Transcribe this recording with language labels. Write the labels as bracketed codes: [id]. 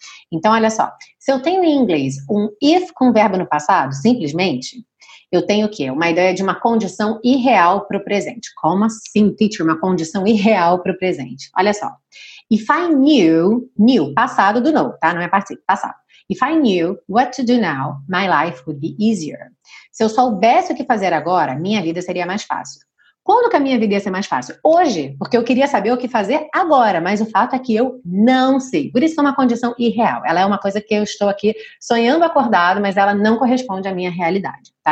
[pt] Então, olha só, se eu tenho em inglês um if com verbo no passado, simplesmente, eu tenho o quê? Uma ideia de uma condição irreal para o presente. Como assim, teacher? Uma condição irreal para o presente. Olha só. [en] If I knew, [pt] passado do know, tá? Não é passado, passado. [en] If I knew what to do now, my life would be easier. [pt] Se eu soubesse o que fazer agora, minha vida seria mais fácil. Quando que a minha vida ia ser mais fácil? Hoje, porque eu queria saber o que fazer agora, mas o fato é que eu não sei. Por isso é uma condição irreal. Ela é uma coisa que eu estou aqui sonhando acordado, mas ela não corresponde à minha realidade. Tá?